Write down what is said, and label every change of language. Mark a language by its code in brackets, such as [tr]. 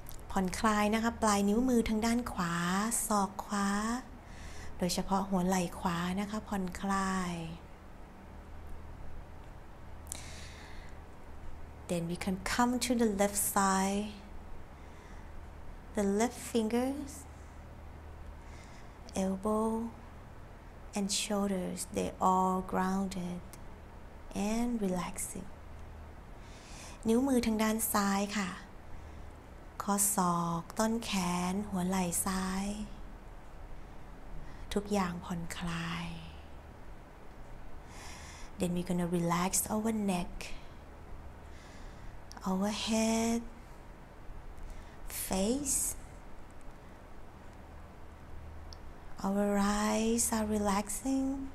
[th] ผ่อนคลายนะคะปลายนิ้วมือทางด้านขวาศอกขวาโดยเฉพาะหัวไหล่ขวานะคะผ่อนคลาย [en] Then we can come to the left side. The left fingers, elbow, and shoulders, they all grounded and relaxing. [th] นิ้วมือทางด้านซ้ายค่ะข้อศอกต้นแขนหัวไหล่ซ้ายทุกอย่างผ่อนคลาย [en] Then we're gonna relax our neck, our head, face,Our eyes are relaxing.